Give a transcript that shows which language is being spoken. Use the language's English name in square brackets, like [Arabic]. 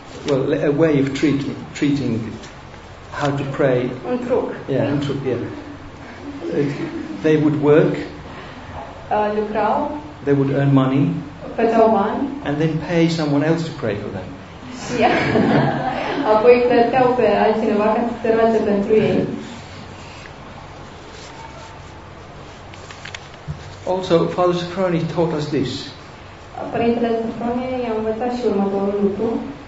[English] well, a way of treating how to pray. [Romanian] Un truc. [English] Yeah, [Romanian] un truc, [English] yeah. They would work. [Romanian] Lucrau. [English] They would earn money. [Romanian] Făceau bani. [English] And then pay someone else to pray for them. Yeah. [Romanian] Apoi plăteau pe altcineva ca să se roage pentru ei. [English] Also, Father Sofroni taught us this. [Romanian] Părintele Sofroni i-a învățat și următorul lucru.